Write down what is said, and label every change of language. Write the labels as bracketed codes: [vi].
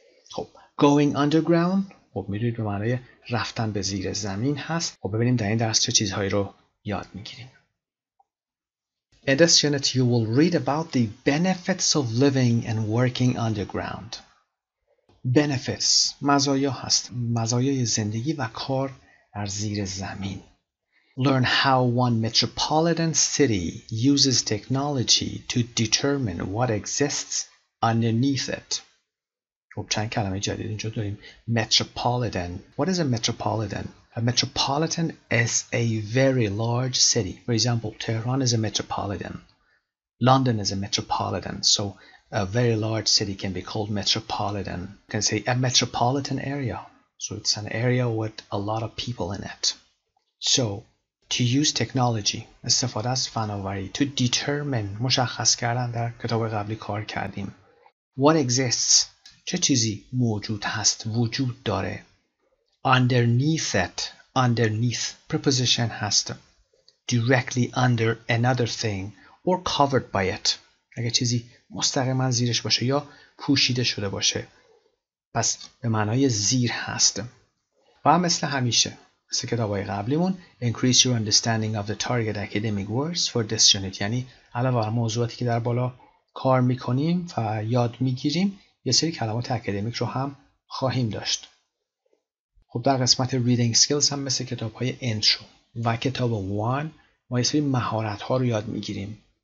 [fa] خب, [en] going underground, [fa] خب میدونید به معنای رفتن به زیر زمین هست. خب ببینیم در این درس چه چیزهایی رو یاد میگیریم. [en] In this unit you will read about the benefits of living and working underground. [fa] Benefits مزایا هست. مزایای زندگی و کار در زیر زمین. [en] Learn how one metropolitan city uses technology to determine what exists underneath it. [fa] خب چند کلمه جدید اینجا داریم. [en] Metropolitan. What is a metropolitan? A metropolitan is a very large city. For example, Tehran is a metropolitan. London is a metropolitan. So a very large city can be called metropolitan. You can say a metropolitan area. So it's an area with a lot of people in it. So to use technology. [fa] استفاده از فناوری. [en] To determine. [fa] مشخص کردن در کتاب قبلی کار کردیم. [en] What exists. [fa] چه چیزی موجود هست، وجود داره. [en] Underneath it. Underneath. Preposition هست. Directly under another thing. Or covered by it. [fa] اگه چیزی مستقیما زیرش باشه یا پوشیده شده باشه. پس به معنای زیر هست. و مثل همیشه. مثل کتابای قبلیمون. [en] Increase your understanding of the target academic words for this unit. [fa] یعنی علاوه بر موضوعاتی که در بالا کار میکنیم و یاد میگیریم، یه سری کلمات اکادمیک رو هم خواهیم داشت. خب در قسمت Reading Skills هم مثل کتاب های Intro و کتاب One ما یه سری مهارت ها رو یاد میگیریم.